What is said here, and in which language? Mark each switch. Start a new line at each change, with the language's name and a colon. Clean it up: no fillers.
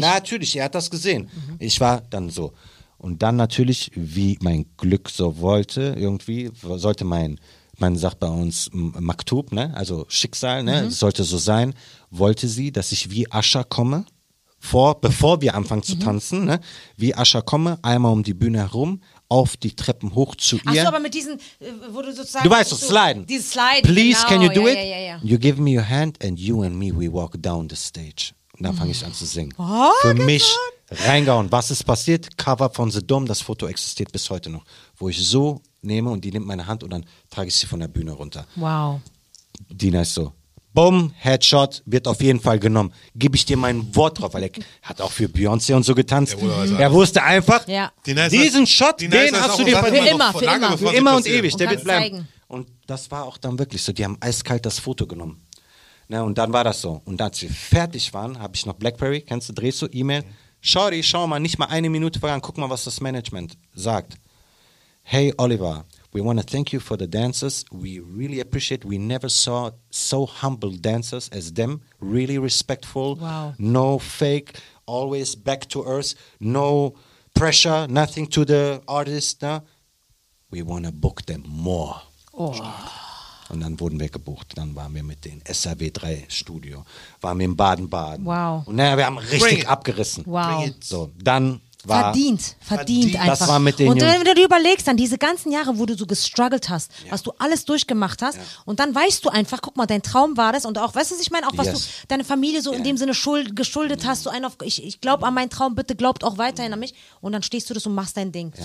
German: Natürlich, er hat das gesehen. Mhm. Ich war dann so. Und dann natürlich, wie mein Glück so wollte, irgendwie, sollte man sagt bei uns Maktub, ne? Also Schicksal, ne? Mhm. Sollte so sein, wollte sie, dass ich wie Usher komme, bevor wir anfangen zu tanzen, ne? Wie Usher komme, einmal um die Bühne herum, auf die Treppen hoch zu ihr. Ach so, aber mit diesen, wo du sozusagen. Du weißt, so sliden. Dieses Sliden.
English: Please,
German: genau,
English: can you do
German: ja,
English: it?
German: Ja, ja, ja.
English: You give me your hand and you and me, we walk down the stage.
German: Und dann fange ich an zu singen. Oh, für mich. Reingauen. Was ist passiert? Cover von The Dom, das Foto existiert bis heute noch. Wo ich so nehme und die nimmt meine Hand und dann trage ich sie von der Bühne runter. Wow. Dina ist so, bumm, Headshot, wird auf jeden Fall genommen. Gib ich dir mein Wort drauf, weil er hat auch für Beyoncé und so getanzt. Er wusste einfach, diesen Shot, den hast du dir verdient. Für immer und ewig, der wird bleiben. Und das war auch dann wirklich so, die haben eiskalt das Foto genommen. Na, und dann war das so. Und als wir fertig waren, habe ich noch Blackberry, kennst du, drehst du, E-Mail, Shorty, schau mal, nicht mal eine Minute vergangen, guck mal, was das Management sagt.
English: Hey Oliver, we want to thank you for the dancers. We really appreciate, we never saw so humble dancers as them. Really respectful. Wow. No fake, always back to earth. No pressure, nothing to the artist. No? We want to book them more. Oh.
German: Und dann wurden wir gebucht. Dann waren wir mit dem SRW 3 Studio. Waren wir im Baden-Baden. Wow. Und naja, wir haben richtig abgerissen. Wow. So, dann war verdient einfach. Das war mit den und dann, wenn du dir überlegst, dann diese ganzen Jahre, wo du so gestruggelt hast, was du alles durchgemacht hast, und dann weißt du einfach, guck mal, dein Traum war das und auch, weißt du, was ich meine, auch was du deine Familie so in dem Sinne geschuldet hast, so ein auf, ich glaube an meinen Traum, bitte glaubt auch weiterhin an mich, und dann stehst du das und machst dein Ding.